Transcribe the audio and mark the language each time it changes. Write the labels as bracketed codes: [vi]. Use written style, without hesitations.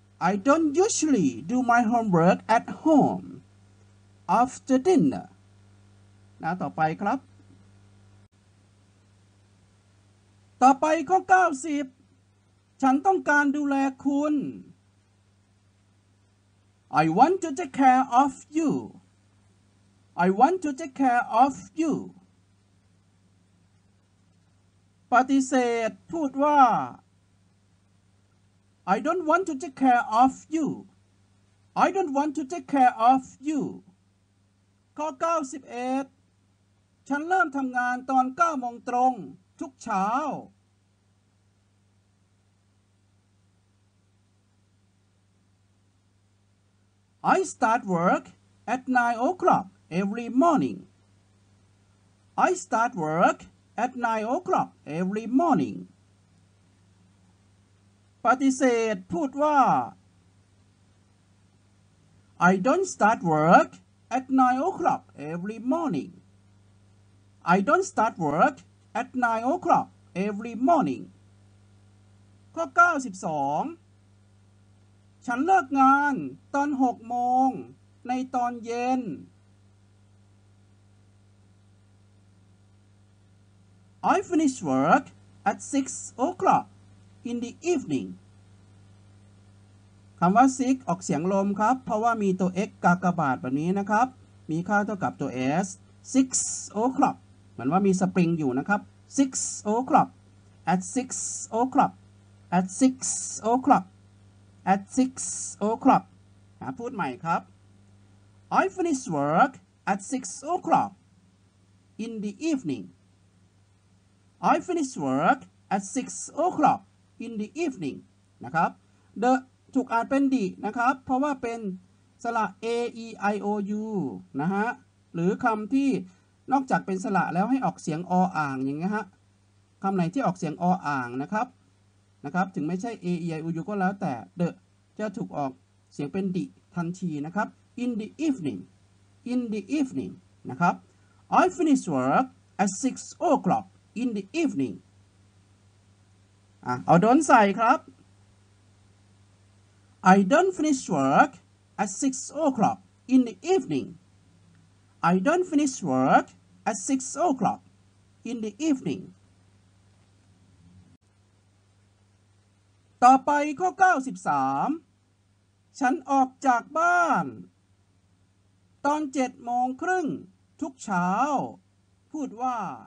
[en] I don't usually do my homework at home after dinner. [th] นะต่อไปครับต่อไปข้อ90ฉันต้องการดูแลคุณ [en] I want to take care of you. I want to take care of you. [th] ปฏิเสธพูดว่า [en] I don't want to take care of you. I don't want to take care of you. [th] ข้อ91ฉันเริ่มทำงานตอน9โมงตรงทุกเช้า [en] I start work at 9 o'clock every morning. I start work at 9 o'clock every morning. [th] ปฏิเสธพูดว่า [en] I don't start work at 9 o'clock every morning. I don't start work at 9 o'clock every morning. [th] ข้อ92 ฉันเลิกงานตอน6โมงในตอนเย็น [en] I finish work at 6 o'clock in the evening. [th] คำว่า6ออกเสียงลมครับเพราะว่ามีตัว x กากบาทแบบนี้นะครับมีค่าเท่ากับตัว s 6 o'clock เหมือนว่ามีสปริงอยู่นะครับ [en] 6 o'clock at 6 o'clock at 6 o'clockAt 6 o'clock. [th] พูดใหม่ครับ. [en] I finish work at 6 o'clock in the evening. I finish work at 6 o'clock in the evening. [th] นะครับ. The ถูกอ่านเป็น the นะครับ. เพราะว่าเป็นสระ A E I O U นะฮะ. หรือคำที่นอกจากเป็นสระแล้วให้ออกเสียงออ่างอย่างเงี้ยฮะ. คำไหนที่ออกเสียงออ่างนะครับนะครับถึงไม่ใช่ a e i u u ก็แล้วแต่ the จะถูกออกเสียงเป็น di ทันทีนะครับ [en] in the evening in the evening [th] นะครับ [en] I finish work at 6 o'clock in the evening [th] เอาโดนใส่ครับ [en] I don't finish work at 6 o'clock in the evening I don't finish work at 6 o'clock in the evening [th] ต่อไปข้อ93ฉันออกจากบ้านตอน7โมงครึ่งทุกเช้าพูดว่า